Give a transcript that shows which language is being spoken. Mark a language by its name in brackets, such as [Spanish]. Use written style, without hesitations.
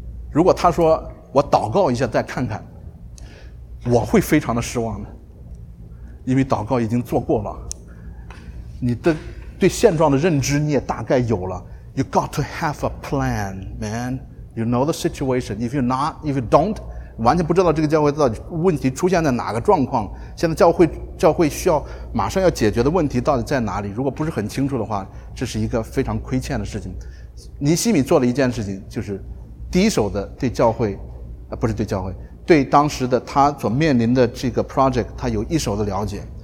[Chinese] 如果他说我祷告一下再看看，我会非常的失望的，因为祷告已经做过了，你的对现状的认知你也大概有了。 [English] You got to have a plan, man. You know the situation. If you don't, [Chinese] 完全不知道这个教会到底问题出现在哪个状况，现在教会需要马上要解决的问题到底在哪里，如果不是很清楚的话，这是一个非常亏欠的事情。尼西米做了一件事情，就是第一手的对教会，不是对教会，对当时的他所面临的这个 project 他有一手的了解。